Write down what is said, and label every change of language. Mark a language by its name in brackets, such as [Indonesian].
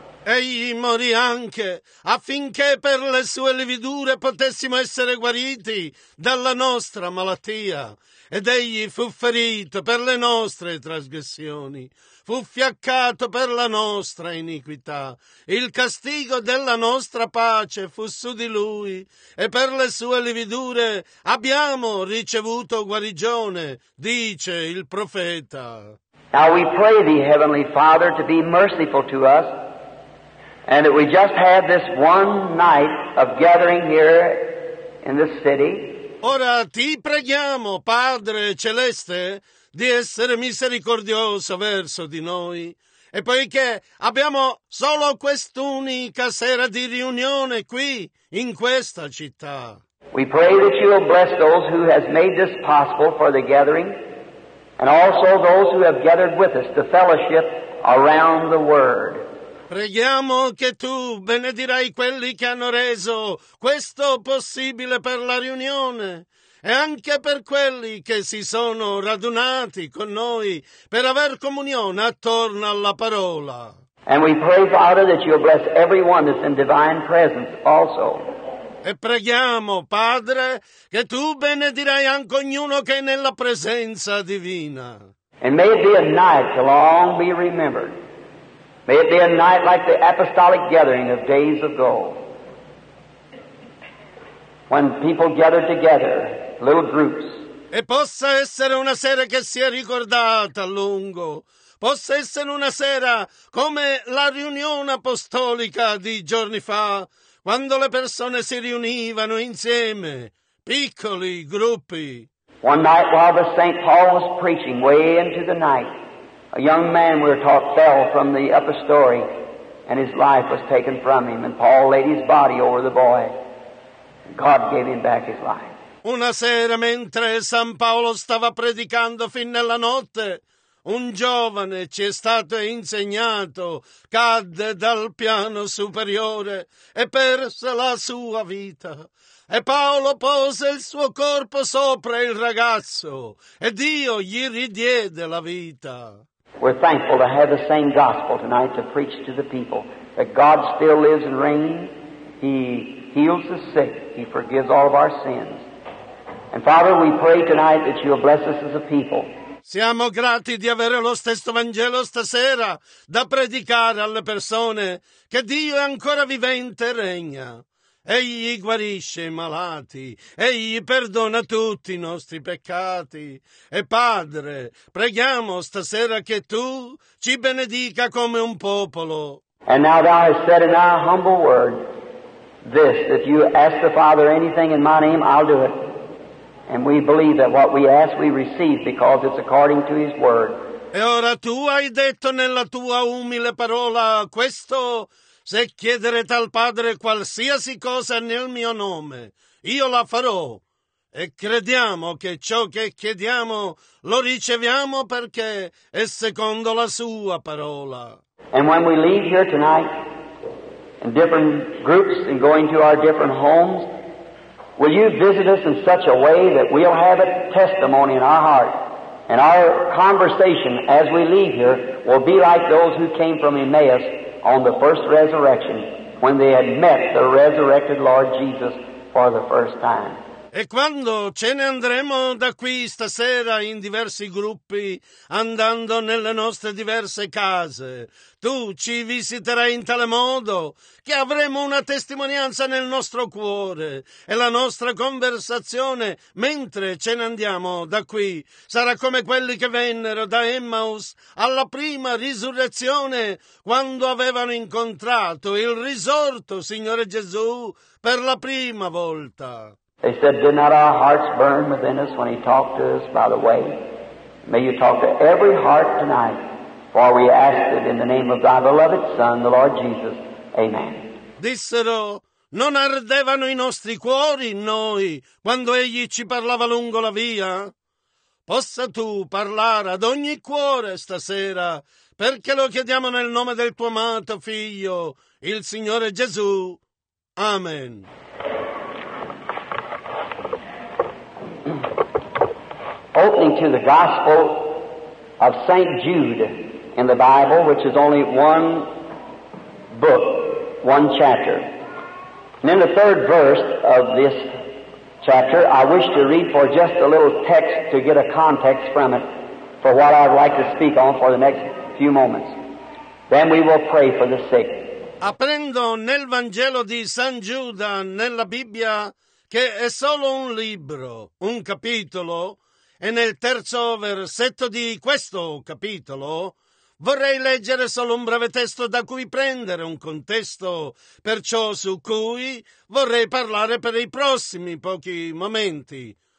[Italian] Egli morì anche affinché per le sue lividure potessimo essere guariti dalla nostra malattia. Ed egli fu ferito per le nostre trasgressioni, fu fiaccato per la nostra iniquità. Il castigo della nostra pace fu su di lui e per le sue lividure abbiamo ricevuto guarigione, dice il profeta. [English] Now we pray thee, Heavenly Father, to be merciful to us, and that we just had this one night of gathering here in this city. [Italian] Ora ti preghiamo, Padre Celeste, di essere misericordioso verso di noi. E poiché abbiamo solo quest'unica sera di riunione qui, in questa città. [English] We pray that you will bless those who have made this possible for the gathering, and also those who have gathered with us to fellowship around the Word. [Italian] Preghiamo che tu benedirai quelli che hanno reso questo possibile per la riunione e anche per quelli che si sono radunati con noi per aver comunione attorno alla parola. [English] And we pray, Father, that you'll bless everyone that's in divine presence also. [Italian] E preghiamo, Padre, che tu benedirai anche ognuno che è nella presenza divina. [English] And may it be a night to long be remembered. May it be a night like the apostolic gathering of days ago, when people gathered together, little groups. [Italian] E possa essere una sera che sia ricordata a lungo. Possa essere una sera come la riunione apostolica di giorni fa, quando le persone si riunivano insieme, piccoli gruppi. [English] One night while the Saint Paul was preaching way into the night, a young man, we were taught, fell from the upper story, and his life was taken from him. And Paul laid his body over the boy, and God gave him back his life. [Italian] Una sera, mentre San Paolo stava predicando fin nella notte, un giovane ci è stato insegnato, cadde dal piano superiore e perse la sua vita. E Paolo pose il suo corpo sopra il ragazzo, e Dio gli ridiede la vita. [English] We're thankful to have the same gospel tonight to preach to the people, that God still lives and reigns. He heals the sick. He forgives all of our sins. And Father, we pray tonight that you will bless us as a people. [Italian] Siamo grati di avere lo stesso Vangelo stasera da predicare alle persone, che Dio è ancora vivente e regna. Egli guarisce i malati, egli perdona tutti i nostri peccati. E Padre, preghiamo stasera che tu ci benedica come un popolo. [English] And now thou hast said in thy humble word this, if you ask the Father anything in my name, I'll do it. And we believe that what we ask we receive because it's according to his word. [Italian] E ora tu hai detto nella tua umile parola questo: se chiederete al Padre qualsiasi cosa nel mio nome, io la farò. E crediamo che ciò che chiediamo lo riceviamo perché è secondo la sua parola. [English] And when we leave here tonight in different groups and going to our different homes, will you visit us in such a way that we'll have a testimony in our heart? And our conversation as we leave here will be like those who came from Emmaus on the first resurrection when they had met the resurrected Lord Jesus for the first time. [Italian] E quando ce ne andremo da qui stasera in diversi gruppi, andando nelle nostre diverse case, tu ci visiterai in tale modo che avremo una testimonianza nel nostro cuore e la nostra conversazione, mentre ce ne andiamo da qui, sarà come quelli che vennero da Emmaus alla prima risurrezione quando avevano incontrato il risorto Signore Gesù per la prima volta. [English] They said, did not our hearts burn within us when he talked to us by the way? May you talk to every heart tonight, for we ask it in the name of thy beloved Son, the Lord Jesus. Amen. [Italian] Dissero, non ardevano i nostri cuori in noi quando egli ci parlava lungo la via? Possa tu parlare ad ogni cuore stasera, perché lo chiediamo nel nome del tuo amato figlio, il Signore Gesù. Amen. [English] Opening to the Gospel of St. Jude in the Bible, which is only one book, one chapter. And in the third verse of this chapter, I wish to read for just a little text to get a context from it for what I'd like to speak on for the next few moments. Then we will pray for the sick. [Italian] Aprendo nel Vangelo di San Giuda nella Bibbia, che è solo un libro, un capitolo, e nel terzo versetto di questo capitolo vorrei leggere solo un breve testo da cui prendere un contesto per ciò su cui vorrei parlare per i prossimi pochi momenti.